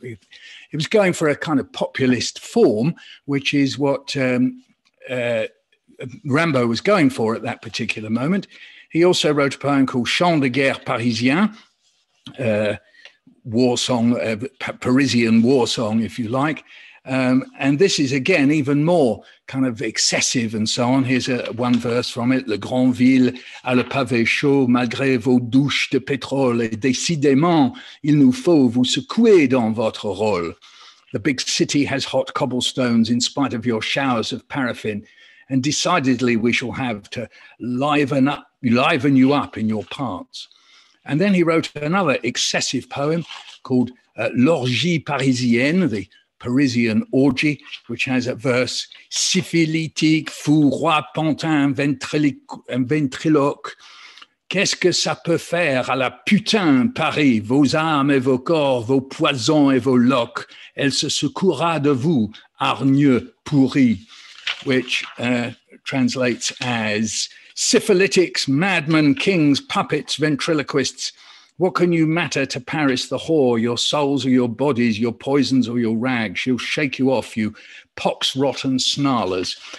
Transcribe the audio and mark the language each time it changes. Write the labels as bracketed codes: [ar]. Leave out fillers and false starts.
[en] He was going for a kind of populist form, which is what Rambo was going for at that particular moment. He also wrote a poem called Chant de guerre parisien, war song, Parisian war song, if you like. And this is, again, even more kind of excessive and so on. Here's one verse from it. [fr] Le grand ville a le pavé chaud malgré vos douches de pétrole et décidément il nous faut vous secouer dans votre rôle. [en] The big city has hot cobblestones in spite of your showers of paraffin, and decidedly we shall have to liven you up in your parts. And then he wrote another excessive poem called L'Orgie Parisienne, the Parisian orgy, which has a verse, [fr] syphilitique, fou, roi, pantin, ventriloque. Qu'est-ce que ça peut faire à la putain Paris, vos âmes et vos corps, vos poisons et vos loques? Elle se secourra de vous, hargneux pourri. [en] Which translates as syphilitics, madmen, kings, puppets, ventriloquists. What can you matter to Paris the whore, your souls or your bodies, your poisons or your rags? She'll shake you off, you pox rotten snarlers.